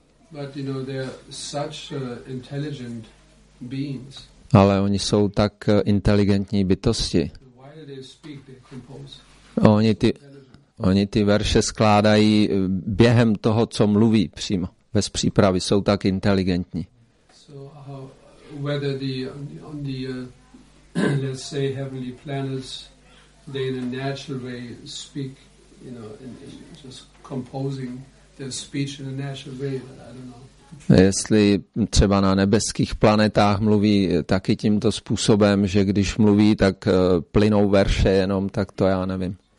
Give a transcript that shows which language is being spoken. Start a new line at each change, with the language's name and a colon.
English: But you know they're such intelligent beings.
Czech: Ale oni jsou tak inteligentní bytosti.
English: Why do they speak, they compose?
Czech: Oni ty verše skládají během toho, co mluví přímo, bez přípravy, jsou tak inteligentní.
English: So whether the on the let's say, heavenly planets, they in a natural way speak, you know, in just composing their speech in a natural way, but I don't know.
Czech: Jestli třeba na nebeských planetách mluví taky tímto způsobem, že když mluví, tak plynou verše jenom, tak to já nevím.